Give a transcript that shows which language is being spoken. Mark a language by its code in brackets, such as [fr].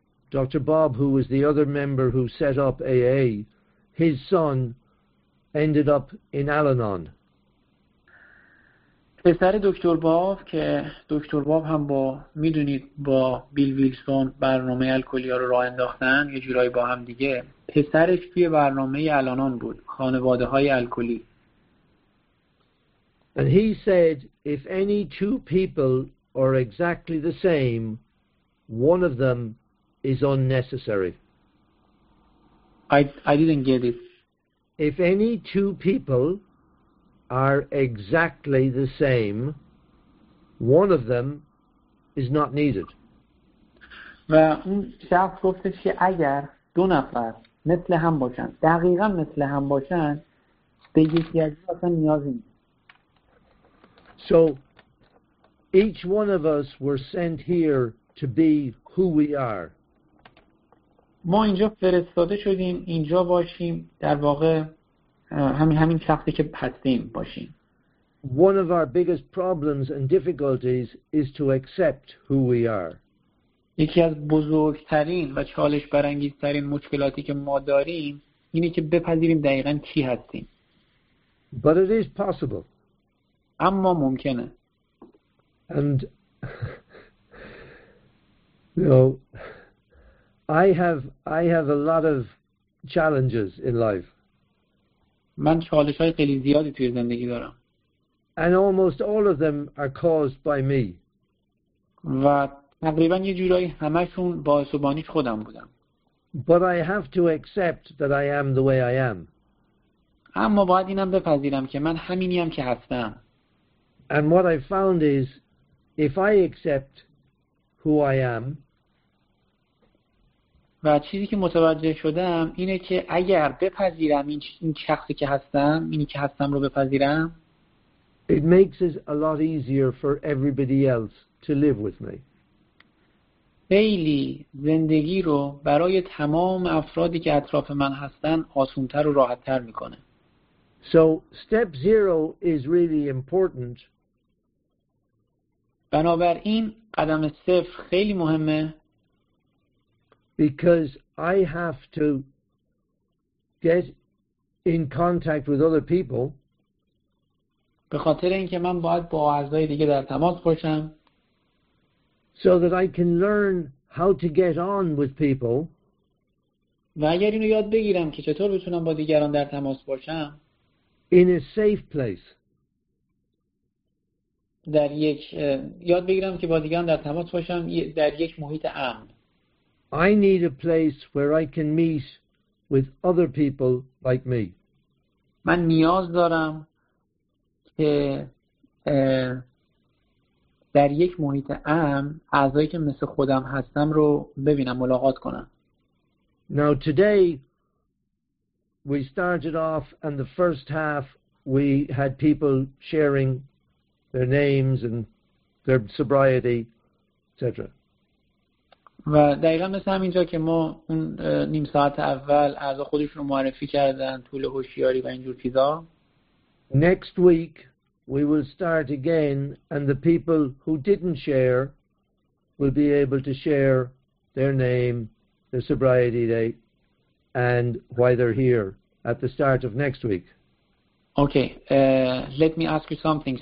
[en] Dr. Bob, who was the other member who set up AA, his son ended up in Al-Anon. [fa] پسر دکتر باب، که دکتر باب هم با میدونید با بیل ویلسون برنامه الکلی ها رو راه انداختن یه جورایی با هم دیگه، پسرش توی برنامه الانان بود، خانواده های الکلی. [en] And he said if any two people are exactly the same, one of them is unnecessary. I didn't get it. If any two people are exactly the same, one of them is not needed. [fa] و اون شخص گفتش که اگر دو نفر مثل هم باشن، دقیقا مثل هم باشن، به یکی از این اصلا نیازی نیست. [en] So each one of us were sent here to be who we are. [fa] ما اینجا فرستاده شدیم اینجا باشیم، در واقع همین شخصی که هستیم باشیم. [en] One of our biggest problems and difficulties is to accept who we are. [fa] یکی از بزرگترین و چالش برانگیزترین مشکلاتی که ما داریم اینه که بپذیریم دقیقاً کی هستیم. [en] But it is possible. [fa] اما ممکنه. [en] And you know, I have a lot of challenges in life. [fa] من چالش‌های خیلی زیادی توی زندگی دارم. [en] And almost all of them are caused by me. [fa] و تقریبا یه جورایی همه‌شون باعث و بانیش خودم بودم. [en] But I have to accept that I am the way I am. [fa] اما باید اینم بپذیرم که من همینیم که هستم. [en] And what I found is if I accept who I am, [fa] و چیزی که متوجه شدم اینه که اگر بپذیرم این شخصی که هستم، اینی که هستم رو بپذیرم، [en] it makes it a lot easier for everybody else to live with me. [fa] خیلی زندگی رو برای تمام افرادی که اطراف من هستن آسان‌تر و راحت‌تر می‌کنه. [en] So step zero is really important. [fa] بنابراین قدم صفر خیلی مهمه. [en] Because I have to get in contact with other people. [fa] به خاطر اینکه من باید با اعضای دیگه در تماس باشم. [en] So that I can learn how to get on with people. [fa] و اگر اینو یاد بگیرم که چطور بتونم با دیگران در تماس باشم. [en] In a safe place. [fa] در یک یاد بگیرم که با دیگران در تماس باشم در یک محیط امن. [en] I need a place where I can meet with other people like me. [fa] من نیاز دارم که در یک محیط امن اعضایی که مثل خودم هستم رو ببینم، ملاقات کنم. [en] Now today we started off and the first half we had people sharing their names and their sobriety, etc. [fa] و دقیقا مثل همینجا که ما اون نیم ساعت اول اعضا خودشون رو معرفی کردن، طول هوشیاری و اینجور چیزا. [en] Next week we will start again and the people who didn't share will be able to share their name, their sobriety date and why they're here at the start of next week. Okay, let me ask you something.